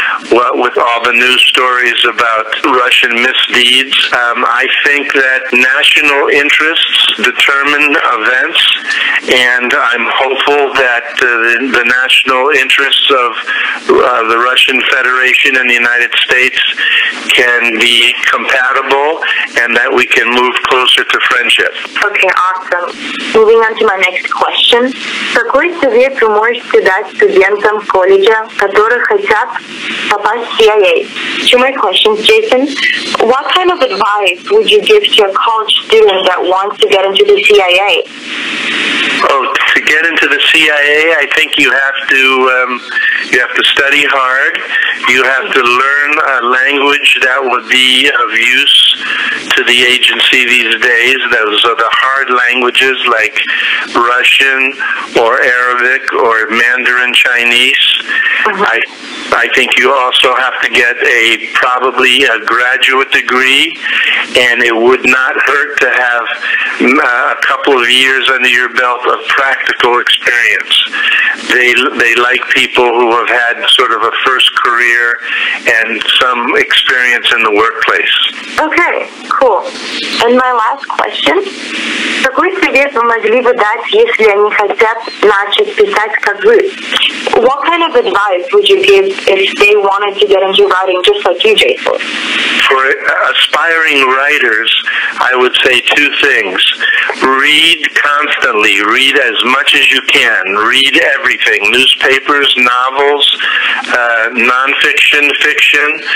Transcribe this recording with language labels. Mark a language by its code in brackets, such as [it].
[en] Well, with all the news stories about Russian misdeeds, I think that national interests determine events, and I'm hopeful that the national interests of the Russian Federation and the United States can be compatible, and that we can move closer to friendship. Okay, awesome. Moving on to my next question. [ru] Какой совет вы можете дать студентам колледжа, которые хотят попасть в CIA? [en] To my question, Jason, what kind of advice would you give to a college student that wants to get into the CIA? Oh, to get into the CIA, I think you have to study hard. You have to learn a language that would be of use to the agency these days. Those are the hard languages like Russian or Arabic or Mandarin Chinese. I think you also have to get probably a graduate degree, and it would not hurt to have a couple of years under your belt of practical experience. They like people who have had sort of a first career and some experience in the workplace. Okay, cool. And my last question. [ru] Какой совет вы могли бы дать, если они хотят начать писать как вы? [en] What kind of advice would you give if they wanted to get into writing just like you, Jason? For aspiring writers, I would say two things. Read constantly. Read as much as you can. Read everything. Newspapers, novels, nonfiction, fiction.